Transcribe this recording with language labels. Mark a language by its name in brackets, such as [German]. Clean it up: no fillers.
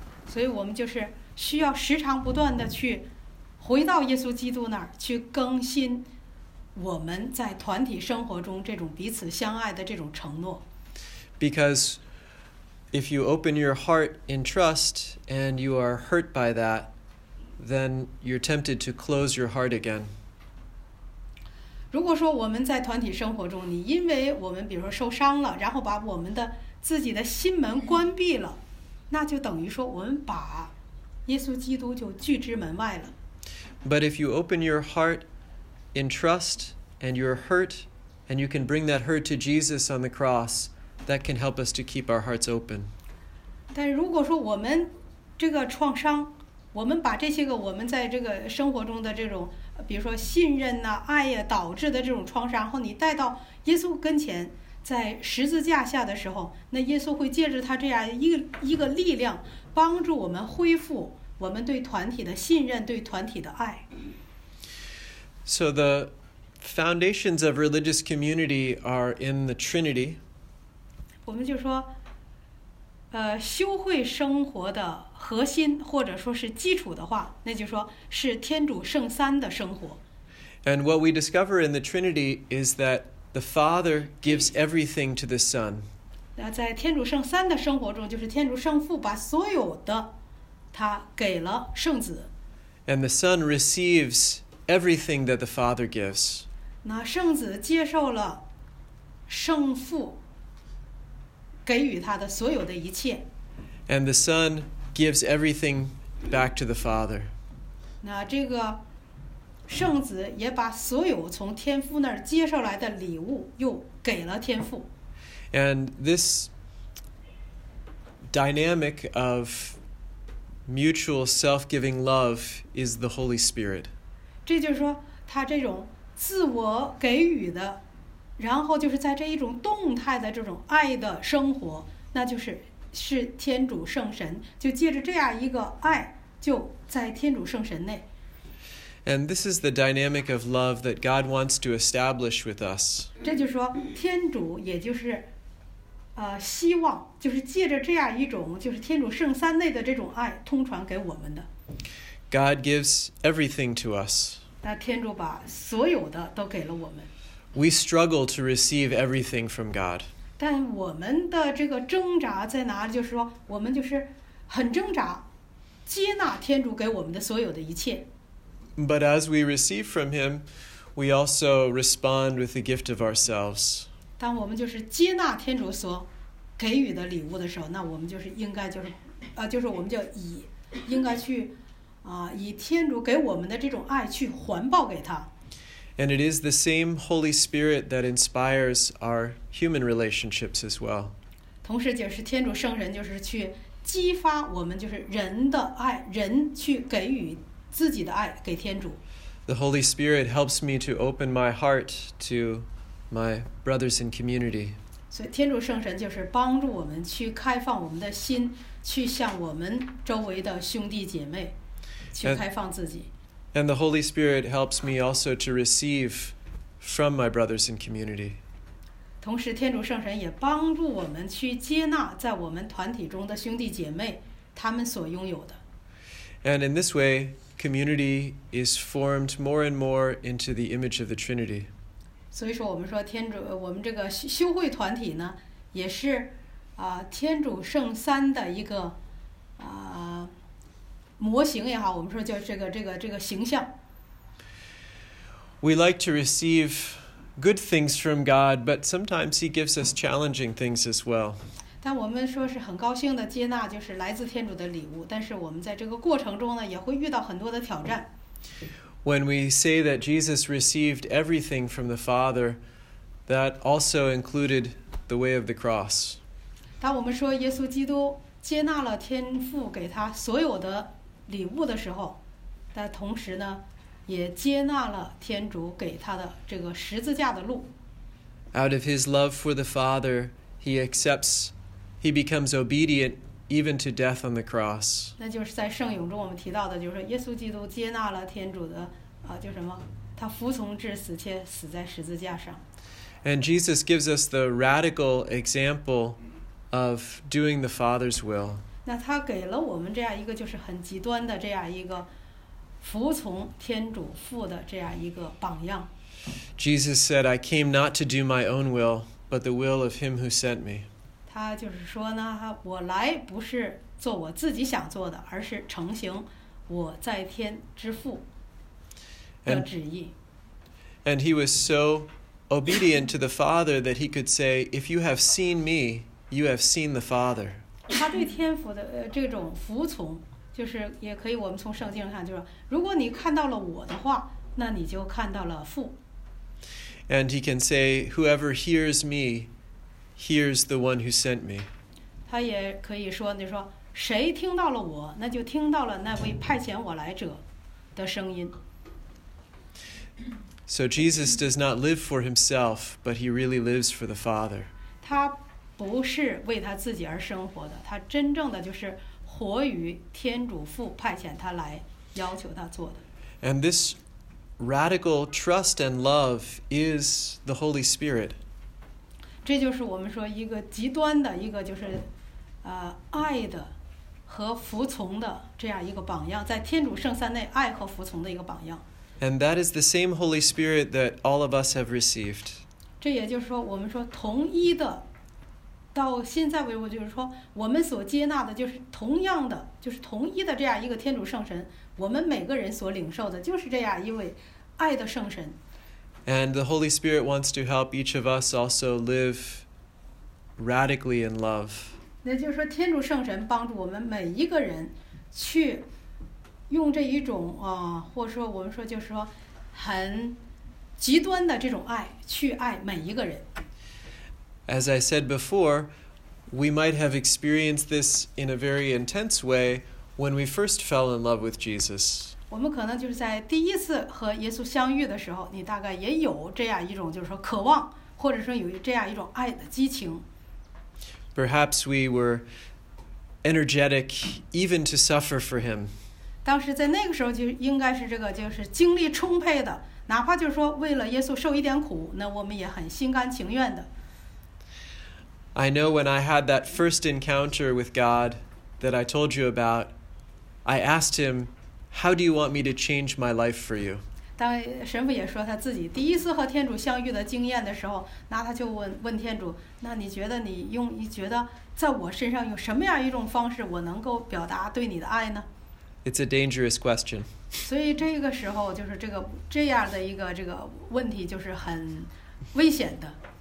[Chinese] 所以我们就是需要时常不断地去回到耶稣基督那儿去更新我们在团体生活中这种彼此相爱的这种承诺。 [English] Because if you open your heart in trust and you are hurt by that, then you're tempted to close your heart again. [Chinese] 如果说我们在团体生活中，你因为我们比如说受伤了，然后把我们的自己的心门关闭了，那就等于说我们把耶稣基督就拒之门外了。 [English] But if you open your heart in trust and you're hurt and you can bring that hurt to Jesus on the cross, that can help us to keep our hearts open. [Chinese] 但如果说我们这个创伤，我们把这些个我们在这个生活中的这种比如说信任啊爱啊导致的这种创伤，然后你带到耶稣跟前在十字架下的时候，那耶稣会借着他这样一个力量帮助我们恢复我们对团体的信任，对团体的爱。 [English] So the foundations of religious community are in the Trinity. [Chinese] 我们就说修会生活的核心或者说是基础的话，那就说是天主圣三的生活。 [English] And what we discover in the Trinity is that the Father gives everything to the Son. [Chinese] 那在天主圣三的生活中，就是天主圣父把所有的他给了圣子。 [English] And the Son receives everything that the Father gives. [Chinese] 那圣子接受了圣父给予他的所有的一切。 [English] And the Son gives everything back to the Father. [Chinese] 那这个圣子也把所有从天父那儿接受来的礼物又给了天父。 [English] And this dynamic of mutual self-giving love is the Holy Spirit. [Chinese] 这就是说他这种自我给予的，然后就是在这一种动态的这种爱的生活，那就是天主圣神就借着这样一个爱就在天主圣神内。 [English] And this is the dynamic of love that God wants to establish with us. [Chinese] 这就是说天主也就是希望就是借着这样一种就是天主圣三内的这种爱通传给我们的。 [English] God gives everything to us. [Chinese] 那天主把所有的都给了我们。 [English] We struggle to receive everything from God. [Chinese] 但我们的这个挣扎在哪里？就是说，我们就是很挣扎，接纳天主给我们的所有的一切。 [English] But as we receive from Him, we also respond with the gift of ourselves. [Chinese] 当我们就是接纳天主所给予的礼物的时候，那我们就是应该就是，就是我们就应该去，以天主给我们的这种爱去还报给他。 [English] And it is the same Holy Spirit that inspires our human relationships as well. [Chinese] 同时就是天主圣神就是去激发我们就是人的爱，人去给予自己的爱给天主。 [English] The Holy Spirit helps me to open my heart to my brothers in community. [Chinese] 所以天主圣神就是帮助我们去开放我们的心，去向我们周围的兄弟姐妹去开放自己。 [English] And the Holy Spirit helps me also to receive from my brothers in community. [Chinese] 同时天主圣神也帮助我们去接纳在我们团体中的兄弟姐妹他们所拥有的。 [English] And in this way, community is formed more and more into the image of the Trinity. [Chinese] 所以说我们说天主，我们这个修会团体呢，也是天主圣三的一个模型也好，我们说叫这个形象。 [English] We like to receive good things from God, but sometimes He gives us challenging things as well. [Chinese] 但我们说是很高兴的接纳就是来自天主的礼物，但是我们在这个过程中呢，也会遇到很多的挑战。 [English] When we say that Jesus received everything from the Father, that also included the way of the cross. [Chinese] 当我们说耶稣基督接纳了天父给他所有的礼物的时候，但同时呢，也接纳了天主给他的这个十字架的路。 [English] Out of his love for the Father, he accepts, he becomes obedient even to death on the cross. [Chinese] 那就是在圣咏中我们提到的，就是耶稣基督接纳了天主的就什么，他服从至死，且死在十字架上。 [English] And Jesus gives us the radical example of doing the Father's will. [Chinese] 那他给了我们这样一个就是很极端的这样一个服从天主父的这样一个榜样。 [English] Jesus said, I came not to do my own will, but the will of him who sent me. [Chinese] 他就是说呢，我来不是做我自己想做的，而是成行我在天之父的旨意。 [English] And he was so obedient to the Father that he could say, if you have seen me, you have seen the Father. [Chinese] 他对天父的这种服从就是也可以我们从圣经上看，就是如果你看到了我的话，那你就看到了父。 [English] And he can say, whoever hears me, hears the one who sent me. [Chinese] 他也可以说，你说谁听到了我，那就听到了那位派遣我来者的声音。 [English] So Jesus does not live for himself, but he really lives for the Father. [Chinese] 他不是为他自己而生活的，他真正的就是活于天主父派遣他来要求他做的。 [English] And this radical trust and love is the Holy Spirit. [Chinese] 这就是我们说一个极端的一个就是爱的和服从的这样一个榜样，在天主圣三内爱和服从的一个榜样。 [English] And that is the same Holy Spirit that all of us have received. [Chinese] 这也就是说我们说同一的，到现在为止，就是说我们所接纳的就是同样的，就是同一的这样一个天主圣神，我们每个人所领受的就是这样一位爱的圣神。 [English] And the Holy Spirit wants to help each of us also live radically in love. [Chinese] 那就是说天主圣神帮助我们每一个人去用这一种或者说我们说就是说很极端的这种爱去爱每一个人。 [English] As I said before, we might have experienced this in a very intense way when we first fell in love with Jesus. [Chinese] 我们可能就是在第一次和耶稣相遇的时候，你大概也有这样一种就是说渴望，或者说有这样一种爱的激情。 [English] Perhaps we were energetic even to suffer for him. [Chinese] 当时在那个时候就应该是这个就是精力充沛的，哪怕就是说为了耶稣受一点苦，那我们也很心甘情愿的。 [English] I know when I had that first encounter with God that I told you about, I asked him, how do you want me to change my life for you? [Chinese] 当神父也说他自己第一次和天主相遇的经验的时候，那他就问天主，那你觉得在我身上用什么样一种方式我能够表达对你的爱呢？ [English] It's a dangerous question. [Chinese] 所以这个时候就是这个这样的一个这个问题就是很危险的。